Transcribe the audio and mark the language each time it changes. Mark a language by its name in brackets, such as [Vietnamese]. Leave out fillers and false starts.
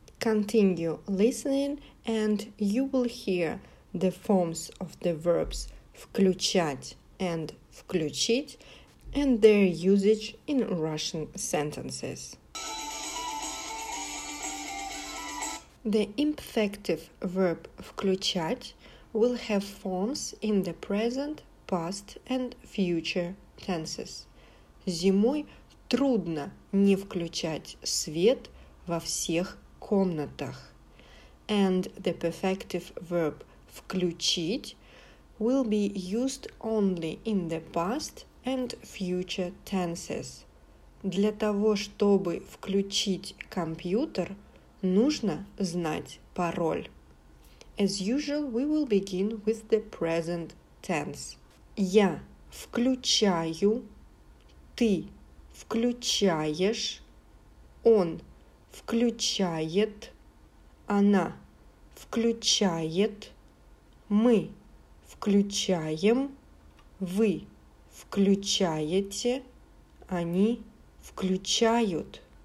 [English] Continue listening and you will hear the forms of the verbs включать and включить and their usage in Russian sentences. The imperfective verb включать will have forms in the present, past and future tenses. [Russian] Зимой трудно не включать свет во всех комнатах. [English] And the perfective verb включить will be used only in the past and future tenses. [Russian] Для того, чтобы включить компьютер, нужно знать пароль. [English] As usual, we will begin with the present tense. [Russian] Я включаю, ты включаешь, он включает, она включает, мы включаем, вы включаете, они включают.